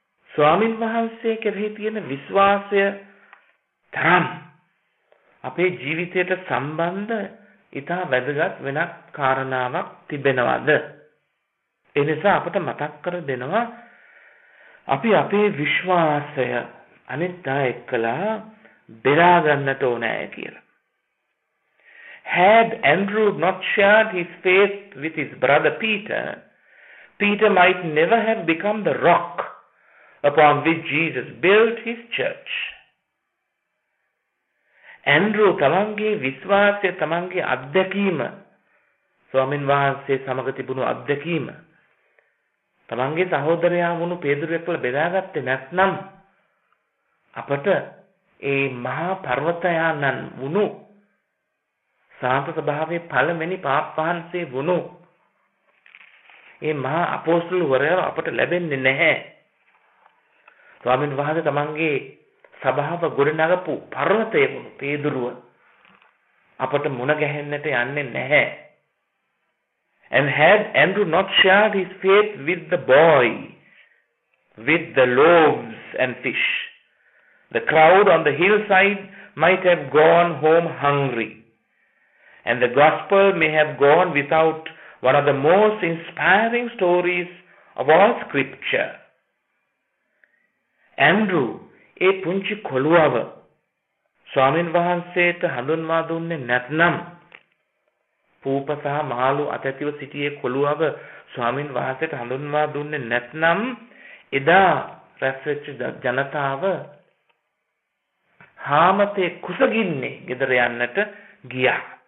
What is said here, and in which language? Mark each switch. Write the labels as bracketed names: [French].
[Sinhala] ස්වාමින් වහන්සේ කෙරෙහි තියෙන විශ්වාසය තරම් අපේ ජීවිතයට සම්බන්ධ ඉතා වැදගත් වෙනත් කාරණාවක් තිබෙනවාද? එනිසා අපට මතක් කර දෙනවා, අපි අපේ විශ්වාසය අනිත්‍යය එක්කලා බෙරා ගන්නට ඕනෑ කියලා. [English] Had Andrew not shared his faith with his brother Peter, Peter might never have become the rock upon which Jesus built his church. [Sinhala] Andrew තමන්ගේ විශ්වාසය, තමන්ගේ අත්දැකීම, ස්වාමින් වහන්සේ සමග තිබුණු අත්දැකීම, තමන්ගේ සහෝදරයා වුණු පේදුරු එක්කලා බෙදාගත්තේ නැත්නම් අපට ඒ මහා පර්වතයානන් වුණු සාන්ත ස්වභාවයේ පළමෙනි පාප් වහන්සේ වුණු ඒ මහා අපෝස්තුල්වරයා අපට ලැබෙන්නේ නැහැ. ස්වාමීන් වහන්සේ තමන්ගේ සභාව ගොඩනගපු පර්වතයේ වුණු පේදුරුව අපට මුණ ගැහෙන්නට යන්නේ නැහැ. [English] And had Andrew not shared his faith with the boy, with the loaves and fish, the crowd on the hillside might have gone home hungry, and the gospel may have gone without one of the most inspiring stories of all scripture. [Sinhala] Andrew, ඒ පුංචි කොළුවව ස්වාමීන් වහන්සේට හඳුන්වා දුන්නේ නැත්නම් පූප සහ මාළු අතැතිව සිටියේ කොළුවව ස්වාමීන් වහන්සේට හඳුන්වා දුන්නේ නැත්නම් එදා රැස්වෙච්ච ජනතාව හාමතේ කුසගින්නේ ගෙදර යන්නට ගියා.